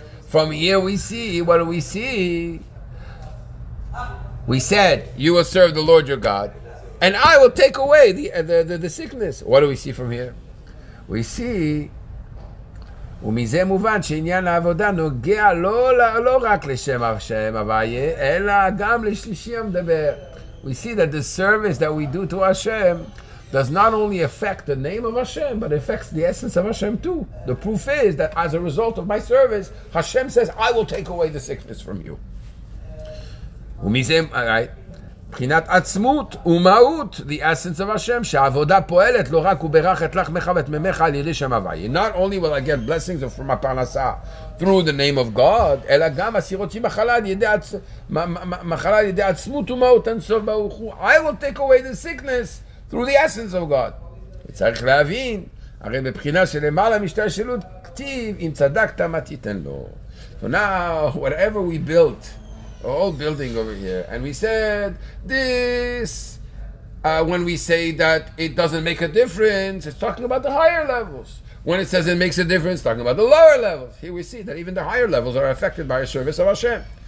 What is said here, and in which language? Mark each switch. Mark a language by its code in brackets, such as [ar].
[en] From here we see, what do we see? We said, you will serve the Lord your God. and I will take away the sickness. What do we see from here? We see [he] ומזה מובן שעניין העבודה נוגע לא רק לשם השם הוויה, אלא גם לשלישי המדבר. [en] We see that the service that we do to Hashem does not only affect the name of Hashem, but affects the essence of Hashem too. The proof is that as a result of my service, Hashem says, I will take away the sickness from you. ומזה, all right. [he] מבחינת עצמות ומהות, [en] the essence of Hashem, [he] שהעבודה פועלת לא רק וברך את לחמך ואת ממך על ידי שם הוויה. [en] Not only will I get blessings from הפרנסה through the name of God, [he] אלא גם הסירותי מחלה על ידי עצמות ומהות אינסוף ברוך הוא. [en] I will take away the sickness through the essence of God. [he] צריך להבין, הרי מבחינה שלמעלה משתלשלות כתיב, אם צדקת מה תיתן לו. [en] So now, whatever we built, old building over here, and we said this when we say that it doesn't make a difference, it's talking about the higher levels. When it says it makes a difference, talking about the lower levels. Here we see that even the higher levels are affected by a service of Hashem.